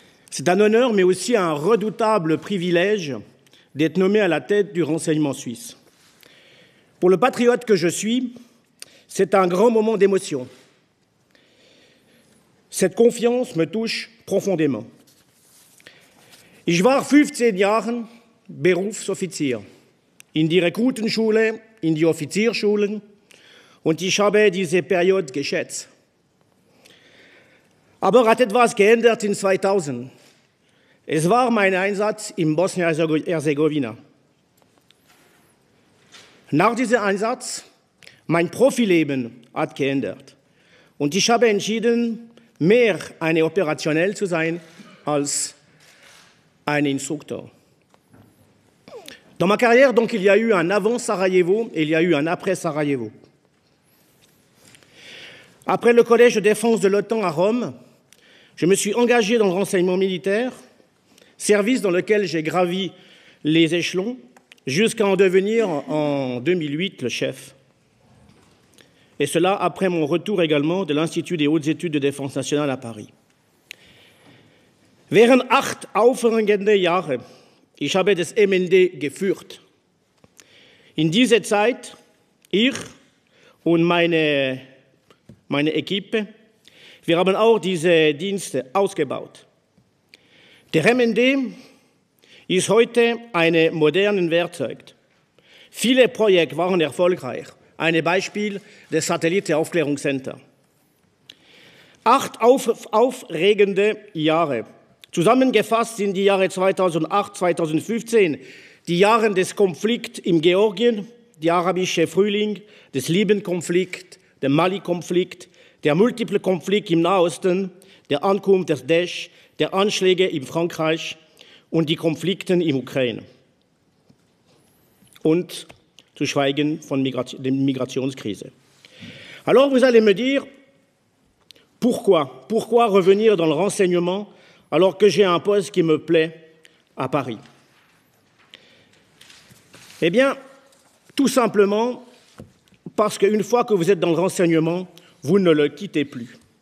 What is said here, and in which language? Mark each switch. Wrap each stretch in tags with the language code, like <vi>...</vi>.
<fr>C'est un honneur, mais aussi un redoutable privilège d'être nommé à la tête du renseignement suisse. Pour le patriote que je suis, c'est un grand moment d'émotion. Cette confiance me touche profondément.</fr> <de>Ich war 15 Jahren Berufsoffizier in die Rekrutenschule, in die Offizierschulen und ich habe diese Periode geschätzt. Aber hat etwas geändert in 2000. Es war mein Einsatz in Bosnien-Herzegowina. Nach diesem Einsatz, mein Profileben hat geändert und ich habe entschieden, mehr eine Operationelle zu sein als ein Instruktor.</de> <fr>Dans ma carrière, donc, il y a eu un avant Sarajevo et il y a eu un après Sarajevo. Après le collège de défense de l'OTAN à Rome, je me suis engagé dans le renseignement militaire, service dans lequel j'ai gravi les échelons, jusqu'à en devenir en 2008 le chef. Et cela après mon retour également de l'Institut des hautes études de défense nationale à Paris.</fr> <de>Während 8 aufregende Jahre, ich habe das MND geführt. In dieser Zeit, ich und meine Equipe, wir haben auch diese Dienste ausgebaut. Der MND ist heute ein modernes Werkzeug. Viele Projekte waren erfolgreich. Ein Beispiel, das Satellitenaufklärungscenter. 8 aufregende Jahre. Zusammengefasst sind die Jahre 2008, 2015, die Jahre des Konflikts in Georgien, der arabische Frühling, des Libyen-Konflikt, der Mali-Konflikt, der multiple Konflikt im Nahen Osten, der Ankunft des Daesh, der Anschläge in Frankreich und die Konflikte in Ukraine. Und zu schweigen von der Migrationskrise.</de> <fr>Alors, vous allez me dire, pourquoi? Pourquoi revenir dans le renseignement alors que j'ai un poste qui me plaît à Paris? Eh bien, tout simplement parce qu'une fois que vous êtes dans le renseignement, vous ne le quittez plus.</fr>